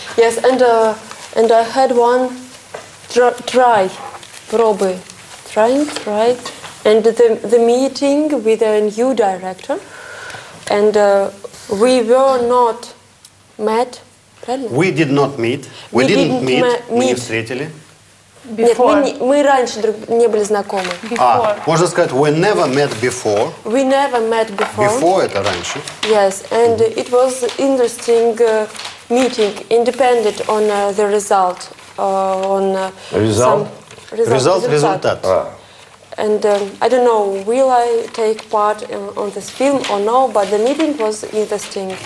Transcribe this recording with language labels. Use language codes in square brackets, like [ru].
[en] Yes, and I had one try, [ru] пробы, [en] trying, right? And the meeting with a new director, and we were not met. We did not meet. We didn't meet. [ru] Мы не встретили. [en] Before. [ru] Нет, мы раньше не были знакомы. Можно сказать, [en] we never met before. We never met before. [ru] Before это раньше. [en] Yes, and it was interesting meeting, independent on the result. On result? [ru] Результат. [en] And I don't know, will I take part on this film or no, but the meeting was interesting.